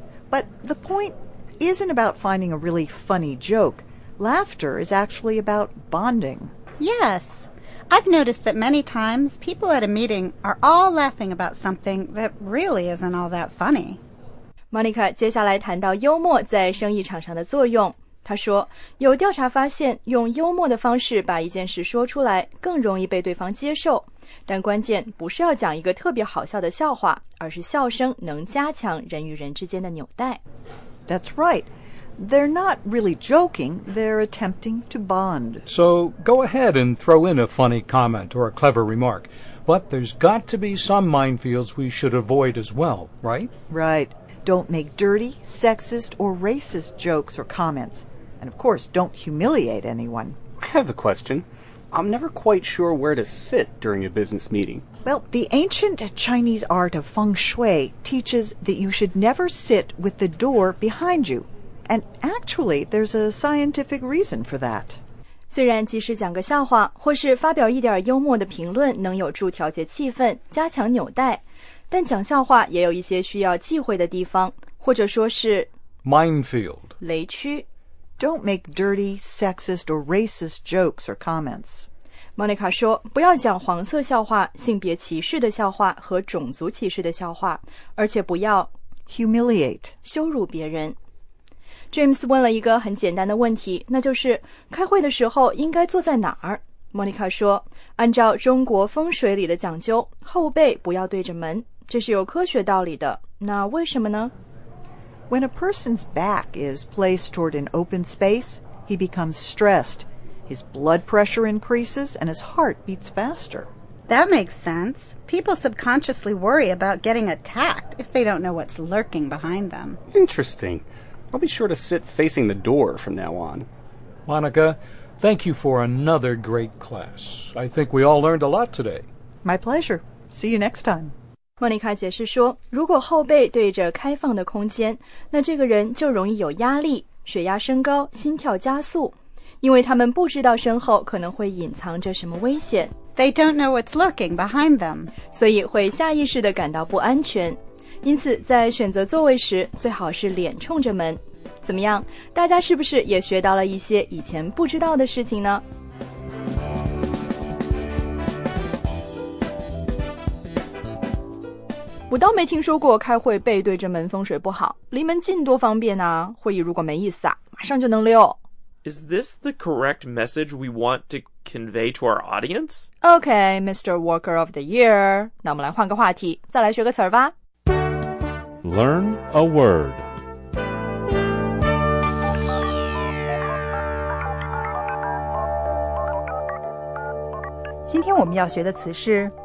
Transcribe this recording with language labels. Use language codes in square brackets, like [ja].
[en] But the point isn't about finding a really funny joke. Laughter is actually about bonding. Yes. I've noticed that many times people at a meeting are all laughing about something that really isn't all that funny. [zh] Monica 接下来谈到幽默在生意场上的作用。她说，有调查发现用幽默的方式把一件事说出来更容易被对方接受。但关键不是要讲一个特别好笑的笑话，而是笑声能加强人与人之间的纽带。 [en] That's right. They're not really joking. They're attempting to bond. So go ahead and throw in a funny comment or a clever remark. But there's got to be some minefields we should avoid as well, right? Right. Don't make dirty, sexist, or racist jokes or comments. And of course, don't humiliate anyone. I have a question. I'm never quite sure where to sit during a business meeting. Well, the ancient Chinese art of feng shui teaches that you should never sit with the door behind you. And actually, there's a scientific reason for that. [zh] 虽然即使讲个笑话或是发表一点幽默的评论能有助调节气氛、加强纽带，但讲笑话也有一些需要忌讳的地方，或者说是 [en] minefield [zh] 雷区。 [en] Don't make dirty, sexist, or racist jokes or comments. [zh] Monica 说，不要讲黄色笑话、性别歧视的笑话和种族歧视的笑话，而且不要 [en] humiliate [zh] 羞辱别人。 James 问了一个很简单的问题，那就是开会的时候应该坐在哪儿？ Monica 说，按照中国风水里的讲究，后背不要对着门，这是有科学道理的。那为什么呢？ [en] When a person's back is placed toward an open space, he becomes stressed. His blood pressure increases and his heart beats faster. That makes sense. People subconsciously worry about getting attacked if they don't know what's lurking behind them. Interesting. I'll be sure to sit facing the door from now on. Monica, thank you for another great class. I think we all learned a lot today. My pleasure. See you next time. [zh] 莫妮卡解释说，如果后背对着开放的空间，那这个人就容易有压力，血压升高，心跳加速，因为他们不知道身后可能会隐藏着什么危险。 [en] They don't know what's lurking behind them. [zh] 所以会下意识地感到不安全。因此在选择座位时，最好是脸冲着门。怎么样？大家是不是也学到了一些以前不知道的事情呢？我倒没听说过开会背对着门风水不好，离门近多方便啊，会议如果没意思啊，马上就能溜。 [en] Is this the correct message we want to convey to our audience? Okay, Mr. Worker of the Year. [zh] 那我们来换个话题，再来学个词儿吧。 [en] Learn a word. Today we're going to learn the